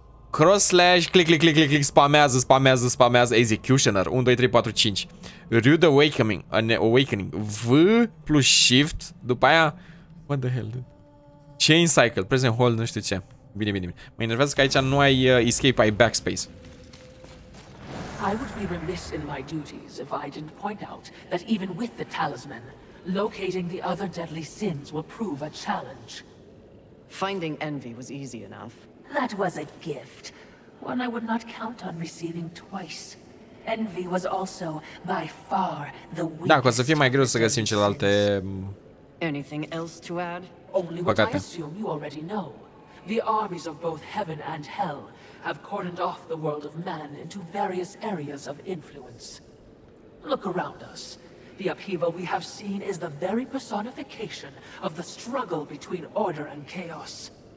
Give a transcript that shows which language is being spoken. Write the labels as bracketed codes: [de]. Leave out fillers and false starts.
[en] Cross slash, click, spamează, executioner, 1, 2, 3, 4, 5, rude awakening, V plus shift, [ro] după aia, [en] what the hell, dude? [ro] Chain cycle, present hold, nu știu ce, bine, mă enervează că aici nu ai escape, ai backspace. [en] I would be remiss in my duties if I didn't point out that even with the talisman, locating the other deadly sins will prove a challenge. Finding envy was easy enough. That was a gift, one I would not count on receiving twice. Envy was also by far the weakest. [ro] Da, că o să fie mai greu să găsim celelalte. [en] Anything else to add? Only what I assume you already know. The armies of both heaven and hell have cordoned off the world of man into various areas of influence. Look around us. The upheaval we have seen is the very personification of the struggle between order and chaos.